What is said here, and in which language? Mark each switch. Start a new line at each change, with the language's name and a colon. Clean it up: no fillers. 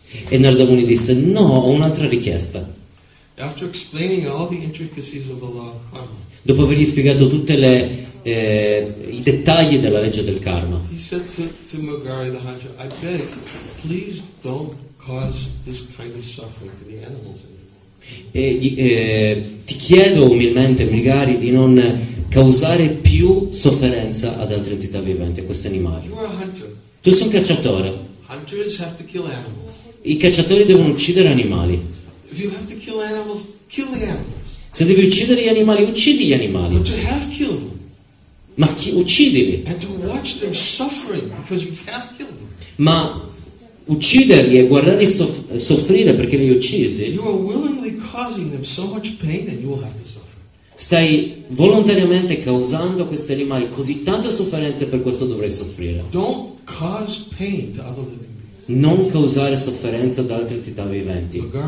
Italian: E Narada Muni disse: no, ho un'altra richiesta.
English: After explaining all the intricacies of the law of karma,
Italian: dopo avergli spiegato tutte le i dettagli della legge del karma,
English: he said to Mrigari the hunter, I beg, please don't cause this kind of suffering to the animals anymore.
Italian: Ti chiedo umilmente, Mrigari, di non causare più sofferenza ad altre entità viventi, a questi animali.
English: You are a hunter.
Italian: Tu sei un cacciatore.
English: Hunters have to kill animals.
Italian: I cacciatori devono uccidere animali.
English: If you have to kill animals, kill the animals.
Italian: Se devi uccidere gli animali, uccidi gli animali.
English: But to have killed them.
Italian: Ma uccidili.
English: And to watch them suffering because you have killed them.
Italian: Ma ucciderli e guardarli soffrire perché li hai uccisi.
English: You are willingly causing them so much pain that you will have to suffer.
Italian: Stai volontariamente causando a questi animali così tanta sofferenza per questo dovrai soffrire.
English: Don't cause pain to other living beings.
Italian: Non causare sofferenza ad altre entità viventi.